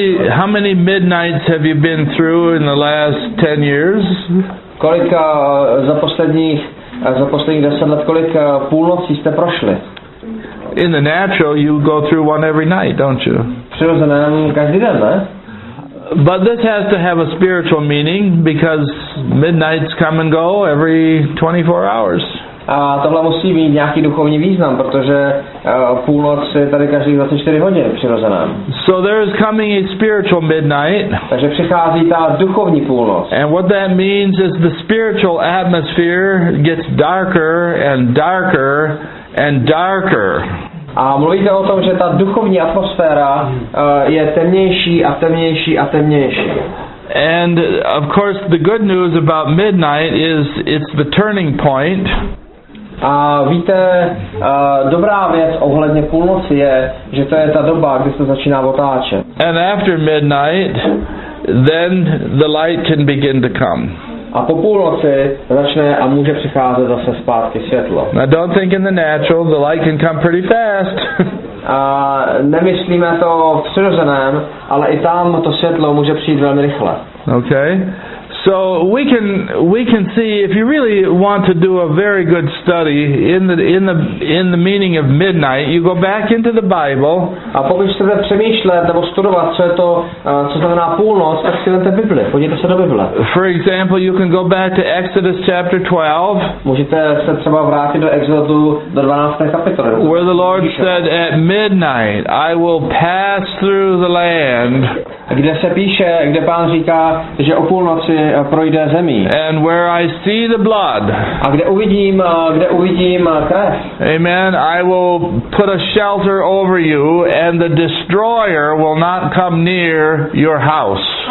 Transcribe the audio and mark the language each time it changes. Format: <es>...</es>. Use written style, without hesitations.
<en>How many midnights have you been through in the last 10 years?</en> <cs>Kolik za posledních 10 let, kolik půlnocí jste prošli?</cs> <en>In the natural, you go through one every night, don't you?</en> <cs>Přirozeně, každý den, ne?</cs> <en>But this has to have a spiritual meaning because midnights come and go every 24 hours.</en> <cs>A tohle musí mít nějaký duchovní význam, protože půlnoc je tady každých 24 hodin přirozená.</cs> <en>So there is coming a spiritual midnight.</en> <cs>Takže přichází ta duchovní půlnoc.</cs> <en>And what that means is the spiritual atmosphere gets darker and darker and darker.</en> <cs>A mluvíte o tom, že ta duchovní atmosféra je temnější a temnější a temnější.</cs> <en>And of course the good news about midnight is it's the turning point.</en> <cs>A víte, dobrá věc ohledně půlnoci je, že to je ta doba, kdy se začíná otáčet.</cs> <en>And after midnight, then the light can begin to come.</en> <cs>A po půlnoci začne a může přicházet zase zpátky světlo.</cs> <en>Now don't think in the natural, the light can come pretty fast.</en> <cs>A nemyslíme to v přirozeném, ale i tam to světlo může přijít velmi rychle.</cs> <en>Okay. So we can see if you really want to do a very good study in the meaning of midnight, you go back into the Bible.</en> <cs>A pokud chcete přemýšlet nebo studovat, co je to, co znamená půlnoc, tak si vezměte Bibli. Podívejte se do Bible.</cs> <en>For example, you can go back to Exodus chapter 12.</en> <cs>Můžete se třeba vrátit do Exodu do 12. kapitoly.</cs> <en>Where the Lord said, "At midnight, I will pass through the land."</en> <cs>Kde se píše, kde Pán říká, že o půlnoci projde zemí.</cs> <en>And where I see the blood.</en> <cs>A kde uvidím krev.</cs> <en>Amen. I will put a shelter over you and the destroyer will not come near your house.</en>